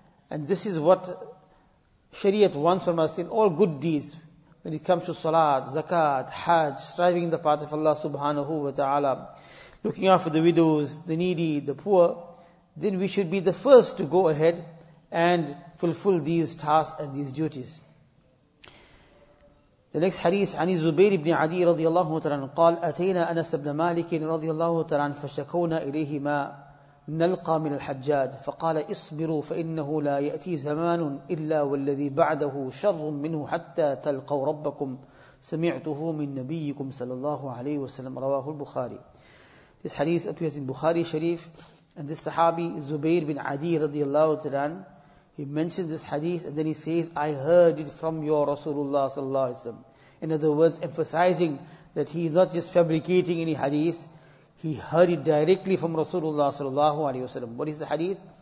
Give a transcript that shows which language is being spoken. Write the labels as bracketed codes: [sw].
[en] And this is what Shariat wants from us in all good deeds. When it comes to Salat, Zakat, Hajj, striving in the path of Allah subhanahu wa ta'ala, looking after the widows, the needy, the poor, then we should be the first to go ahead and fulfill these tasks and these duties. The next hadith, [ar] عن الزبير بن عدي رضي الله تعالى قال أتينا أنس بن مالك رضي الله تعالى فشكونا إليه ما نلقى من الحجاج فقال اصبروا فإنه لا يأتي زمان إلا والذي بعده شر منه حتى تلقوا ربكم سمعته من نبيكم صلى الله عليه وسلم رواه البخاري. [en] This hadith appears in Bukhari Sharif, and this Sahabi Zubair bin Adi radiallahu ta'ala, he mentions this hadith and then he says, I heard it from your Rasulullah sallallahu alayhi wa sallam. In other words, emphasizing that he is not just fabricating any hadith. He heard it directly from Rasulullah sallallahu alayhi wa sallam. What is the hadith?